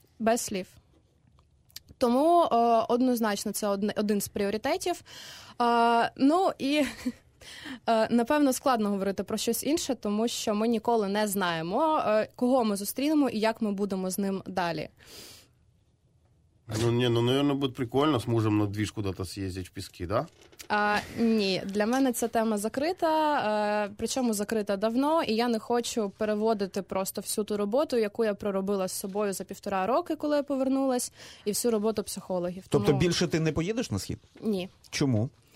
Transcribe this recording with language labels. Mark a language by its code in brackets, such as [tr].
[uk] Без слів. Тому однозначно це один з пріоритетів. Ну і, напевно, складно говорити про щось інше, тому що ми ніколи не знаємо, кого ми зустрінемо і як ми будемо з ним далі. [ru] Ну, не, ну, наверное, будет прикольно с мужем на движ куда-то съездить в пески, да? [uk] Ні, для мене ця тема закрита, причому закрита давно, і я не хочу переводити просто всю ту роботу, яку я проробила з собою за півтора роки, коли я повернулась, і всю роботу психологів. Тобто тому... більше ти не поїдеш на схід? Ні. Чому?